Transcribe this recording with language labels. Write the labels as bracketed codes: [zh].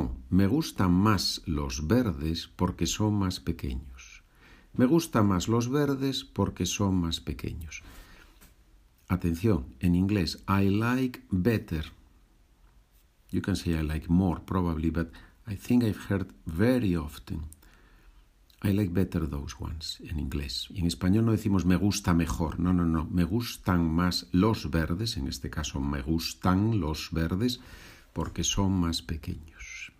[es] Me gustan más los verdes porque son más pequeños. Me gustan más los verdes porque son más pequeños. Atención, en inglés, [en] I like better. You can say I like more, probably, but I think I've heard very often. I like better those ones, [es] en inglés. Y en español no decimos me gusta mejor. No, no, no. Me gustan más los verdes. En este caso, me gustan los verdes porque son más pequeños.